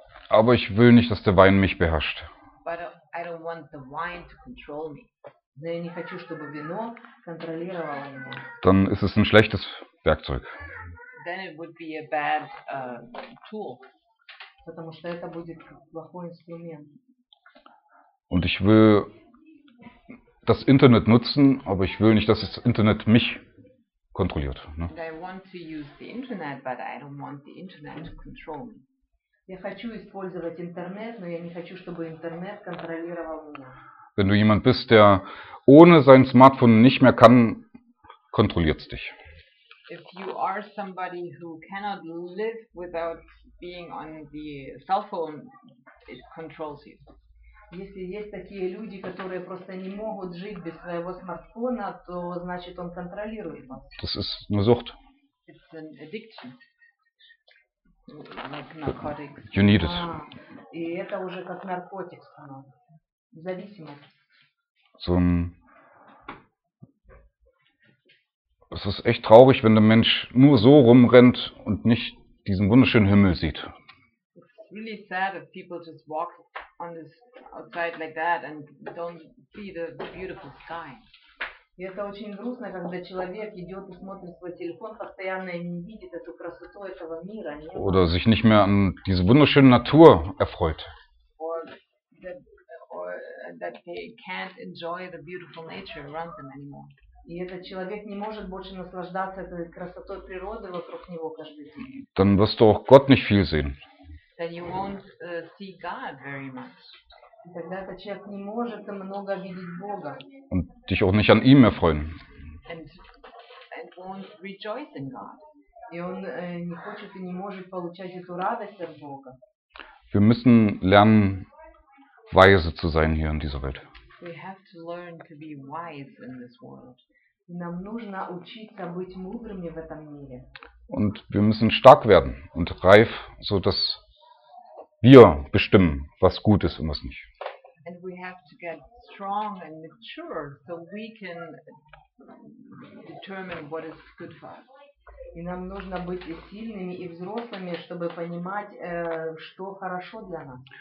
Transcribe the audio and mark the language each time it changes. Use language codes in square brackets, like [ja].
[de] Aber ich will nicht, dass der Wein mich beherrscht. [en] But I don't want the wine to control me. [ru] Но я не хочу, чтобы вино контролировало меня. [de] Dann ist es ein schlechtes Werkzeug. [en] Then it would be a bad tool. [ru] Потому что это будет плохой инструмент. [de] Und ich will das Internet nutzen, aber ich will nicht, dass das Internet mich kontrolliert. Ne? [en] And I want to use the Internet, but I don't want the Internet to control me. [ru] Я хочу использовать интернет, но я не хочу, чтобы интернет контролировал меня. [de] Wenn du jemand bist, der ohne sein Smartphone nicht mehr kann, kontrolliert es dich. [en] If you are somebody who cannot live without being on the cell phone, it controls you. [ru] Если есть такие люди, которые просто не могут жить без своего смартфона, то значит он контролирует вас. [de] Das ist eine Sucht. [en] It's an addiction. Like narcotics. You need it. [ru] И это уже как наркотик становится. Зависимость. [de] So, es ist echt traurig, wenn der Mensch nur so rumrennt und nicht diesen wunderschönen Himmel sieht. [en] It's really sad if people just walk on this outside like that and don't see the beautiful sky. [ru] И это очень грустно, когда человек идет и смотрит свой телефон постоянно и не видит эту красоту этого мира. Нет? [de] Oder sich nicht mehr an diese wunderschöne Natur erfreut. [en] Or that they can't enjoy the beautiful nature around them anymore. [ru] И этот человек не может больше наслаждаться этой красотой природы вокруг него каждый день. [de] Dann wirst du auch Gott nicht viel sehen. [en] Then you won't see God very much. [ru] И тогда этот человек не может много видеть Бога. [de] Und dich auch nicht an ihm erfreuen. [en] And won't rejoice in God. [ru] И он не хочет и не может получать эту радость от Бога. [de] Wir müssen lernen, weise zu sein hier in dieser Welt. [en] We have to learn to be wise in this world. [ru] Нам нужно учиться быть мудрыми в этом мире. [de] Und wir müssen stark werden und reif, so dass wir bestimmen, was gut ist und was nicht. [en] And we have to get strong and mature, so we can determine what is good for us. [ru] И нам нужно быть и сильными, и взрослыми, чтобы понимать, что хорошо для нас.